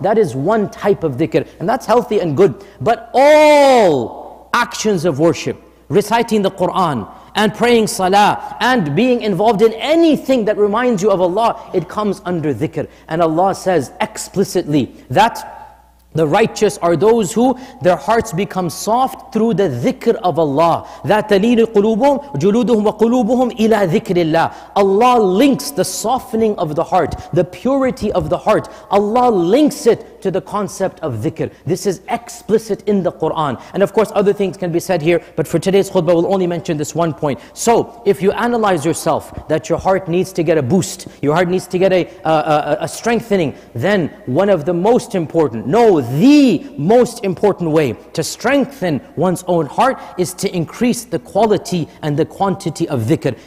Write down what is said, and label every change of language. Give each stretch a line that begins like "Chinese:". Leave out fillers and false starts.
English: That is one type of dhikr. And that's healthy and good. But all actions of worship, reciting the Qur'an, and praying salah, and being involved in anything that reminds you of Allah, it comes under dhikr. And Allah says explicitly that the righteous are those who their hearts become soft through the dhikr of Allah. That
Arabic: تلين قلوبهم جلودهم وقلوبهم إلى ذكر الله.
English: Allah links the softening of the heart, the purity of the heart. Allah links it to the concept of dhikr. This is explicit in the Quran. And of course, other things can be said here, but for today's khutbah, we'll only mention this one point. So, if you analyze yourself, that your heart needs to get a boost, your heart needs to get a strengthening, then one of the most important, no, the most important way to strengthen one's own heart is to increase the quality and the quantity of dhikr.